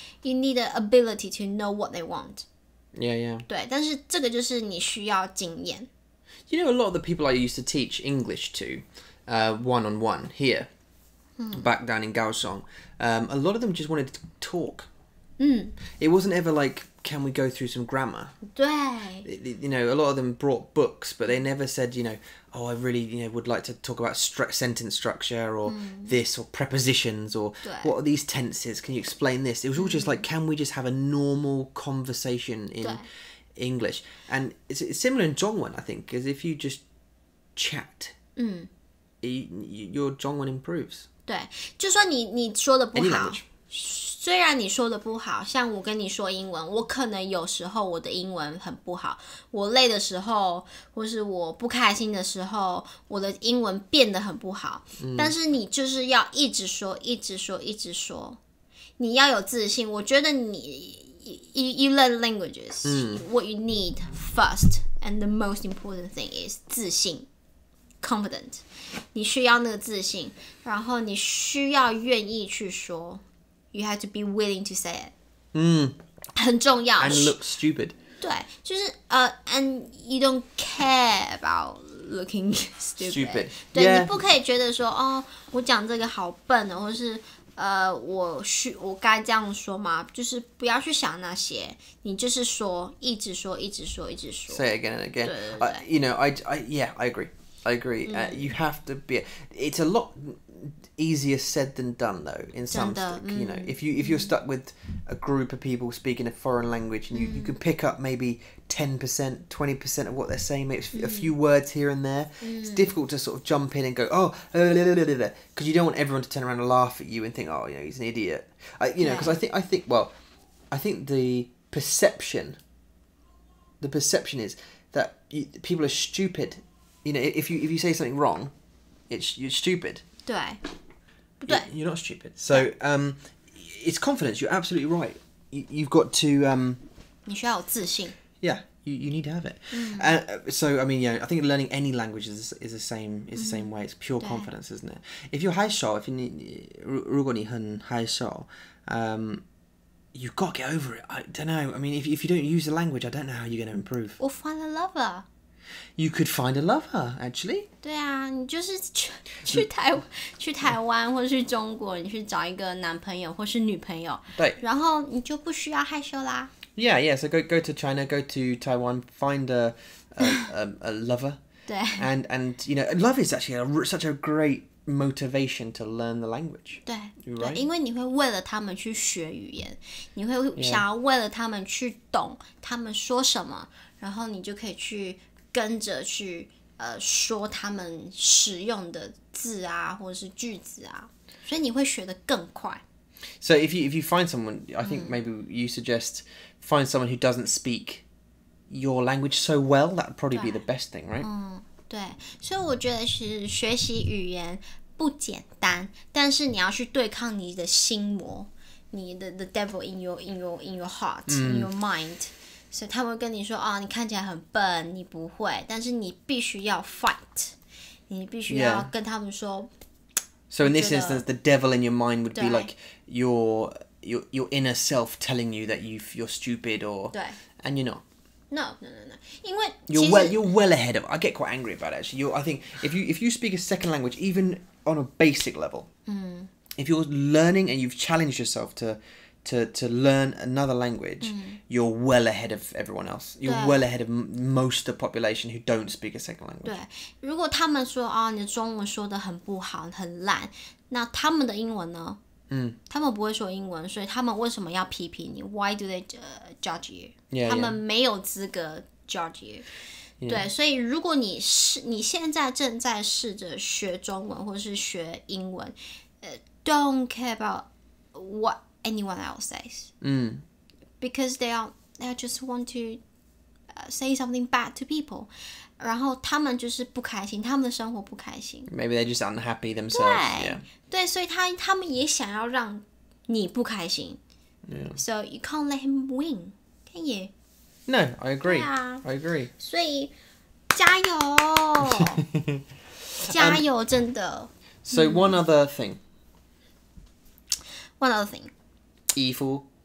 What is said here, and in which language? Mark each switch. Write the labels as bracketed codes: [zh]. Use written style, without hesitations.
[en] You need the ability to know what they want. Yeah, yeah. [zh] 对,但是这个就是你需要经验. [en] You know, a lot of the people I used to teach English to, one-on-one here, back down in Kaohsiung, a lot of them just wanted to talk. It wasn't ever like, can we go through some grammar? [zh] 对。 [en] You know, a lot of them brought books, but they never said, you know, oh, I really, you know, would like to talk about sentence structure or this or prepositions or what are these tenses? Can you explain this? It was all just like, can we just have a normal conversation in English? And it's similar in 中文, I think, because if you just chat, your 中文improves. [zh] 对，就说你说的不好，虽然你说的不好，像我跟你说英文，我可能有时候我的英文很不好，我累的时候，或是我不开心的时候，我的英文变得很不好。但是你就是要一直说，一直说，一直说，你要有自信。我觉得你 [en] you learn languages. What you need first and the most important thing is [zh] 自信。 Confident, 你需要那个自信，然后你需要愿意去说。 [en] You have to be willing to say it. [zh] 很重要。 [en] And look stupid. [zh] 对，就是 [en] and you don't care about looking stupid. Stupid. [zh] 对， [en] yeah. [zh] 你不可以觉得说哦，我讲这个好笨哦，或是我该这样说吗？就是不要去想那些，你就是说，一直说，一直说，一直说。 [en] Say it again and again. [zh] 对对对。 [en] You know, I agree. I agree. You have to be. It's a lot easier said than done, though. In some, you know, if you're stuck with a group of people speaking a foreign language, and you can pick up maybe 10%, 20% of what they're saying, maybe a few words here and there. It's difficult to sort of jump in and go, oh, because you don't want everyone to turn around and laugh at you and think, oh, you know, he's an idiot. I think the perception is that people are stupid. You know, if you say something wrong, you're stupid. [zh] 对。 [en] You're not stupid. So, it's confidence. You're absolutely right. You've got to... [zh] 你需要有自信。 [en] Yeah, you need to have it. So, I mean, yeah, I think learning any language is the same way. It's pure confidence, isn't it? If you're [zh] 害羞, 如果你很害羞, [en] you've got to get over it. I don't know. I mean, if you don't use the language, I don't know how you're going to improve. Or find a lover. You could find a lover, actually. [zh] 对啊，你就是去台湾或是中国，你去找一个男朋友或是女朋友。对。然后你就不需要害羞啦。 [en] Yeah, yeah. So go to China, go to Taiwan, find a lover. [zh] 对。 [en] And you know, love is actually such a great motivation to learn the language. [zh] 对。 [en] Right? [zh] 对，因为你会为了他们去学语言，你会想要为了他们去懂他们说什么，然后你就可以去。跟着去说他们使用的字啊，或者是句子啊，所以你会学得更快。 [en] So if you find someone, I think maybe you suggest find someone who doesn't speak your language so well. That would probably be the best thing, right? [zh] 对。所以我觉得是学习语言不简单，但是你要去对抗你的心魔，你的 [en] the devil in your heart, in your mind. [zh] 所以他们会跟你说、哦、你看起来很笨你不会但是你必须要 fight 你必须要跟他们说、 [en] yeah. So in this instance the devil in your mind would be like your inner self telling you that you're stupid or and you're not No [zh] 因为 [en] You're well ahead of I get quite angry about it actually I think if you speak a second language even on a basic level、if you're learning and you've challenged yourself to learn another language, you're well ahead of everyone else. You're well ahead of most of the population who don't speak a second language. [zh] 对，如果他们说啊、哦，你中文说的很不好，很烂，那他们的英文呢？他们不会说英文，所以他们为什么要批评你 ？ [en] Why do they judge you? Yeah, [zh] 他们没有资格 [en] judge you. [zh] 对，所以如果你现在正在试着学中文或是学英文， [en] don't care about what. Anyone else says, because they just want to say something bad to people. [zh] 然后他们就是不开心，他们的生活不开心。 [en] Maybe they're just unhappy themselves. [zh] 对，所以他们也想要让你不开心。 [en] Yeah. So you can't let him win, can you? No, I agree. Yeah. I agree. [zh] 所以加油，加油，真的。 [en] So one other thing. One other thing. E4